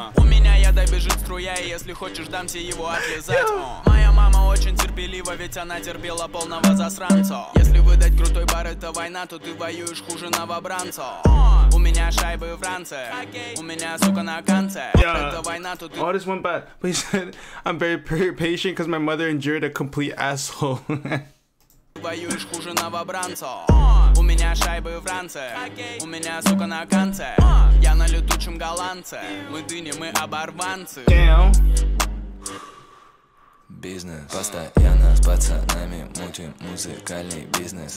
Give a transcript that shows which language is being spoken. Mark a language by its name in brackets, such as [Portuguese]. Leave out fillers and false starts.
[Russian] У меня яда бежит струя, и если хочешь, дам тебе его отлизать. Моя мама очень терпелива, ведь она терпела полного засранца. Если выдать крутой бар, это война, то ты воюешь хуже новобранца. У меня шайбы в ранце, у меня сука на конце. Это война, то ты... [English] All this went bad, but he said, I'm very, very patient, cause my mother endured a complete asshole. [Russian] Воюешь хуже новобранца. У меня шайбы в ранце. У меня сука на конце. Я на летучем голландце. Мы дыни, мы оборванцы. [English] Damn. [Russian] бизнес. Постоянно с пацанами мутим музыкальный бизнес.